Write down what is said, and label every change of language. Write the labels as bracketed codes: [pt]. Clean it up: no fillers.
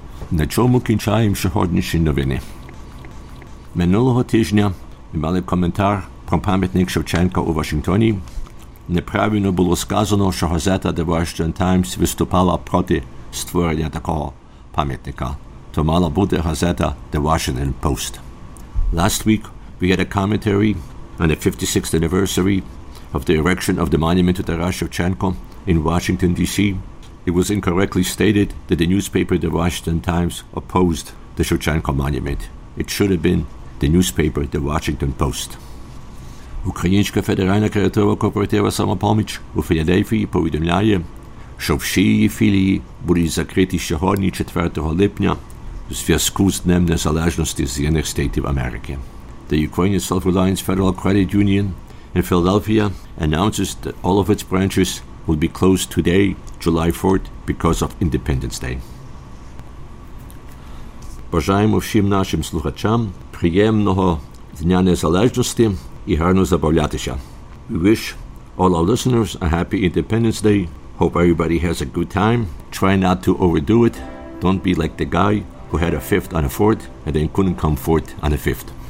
[uk] На чому кінчаємо сьогоднішні новини? Минулого тижня ми мали коментар про пам'ятник Шевченка у Вашингтоні. Неправильно було сказано, що газета The Washington Times виступала проти створення такого пам'ятника. То мала бути газета The Washington Post. [en] Last week we had a commentary on the 56th anniversary of the erection of the monument to Taras Shevchenko in Washington, D.C. It was incorrectly stated that the newspaper The Washington Times opposed the Shevchenko monument. It should have been the newspaper The Washington Post. [uk] Українська федеральна креативна кооператива «Самопоміч» у Філадельфії повідомляє, що всі її філії будуть закриті сьогодні, 4 липня, в зв'язку з Днем Незалежності Сполучених Штатів Америки. [en] The Ukrainian Self-Reliance Federal Credit Union in Philadelphia announces that all of its branches will be closed today, July 4th, because of Independence Day. [uk] Бажаємо всім нашим слухачам приємного Дня Незалежності і гарно забавлятися. [en] We wish all our listeners a happy Independence Day. Hope everybody has a good time. Try not to overdo it. Don't be like the guy who had a fifth on a fourth and then couldn't come forth on a fifth.